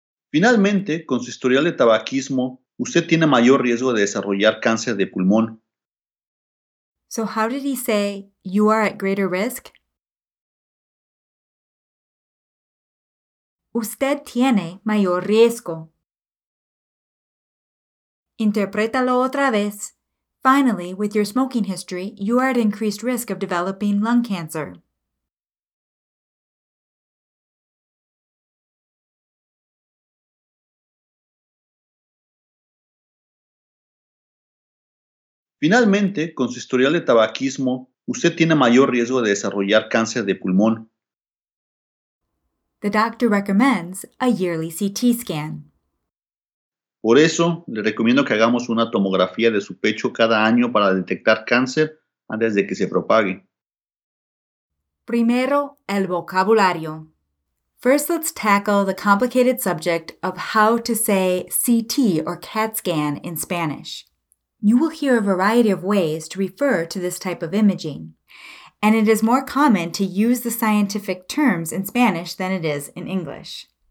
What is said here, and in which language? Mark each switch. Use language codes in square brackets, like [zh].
[es] Finalmente, con su historial de tabaquismo, usted tiene mayor riesgo de desarrollar cáncer de pulmón. [en] So how did he say, you are at greater risk? [es] Usted tiene mayor riesgo. Interprétalo otra vez. [en] Finally, with your smoking history, you are at increased risk of developing lung cancer. [es] Finalmente, con su historial de tabaquismo, usted tiene mayor riesgo de desarrollar cáncer de pulmón. [en] The doctor recommends a yearly CT scan. [es] Por eso, le recomiendo que hagamos una tomografía de su pecho cada año para detectar cáncer antes de que se propague. Primero, el vocabulario. [en] First, let's tackle the complicated subject of how to say CT or CAT scan in Spanish. You will hear a variety of ways to refer to this type of imaging. And it is more common to use the scientific terms in Spanish than it is in English.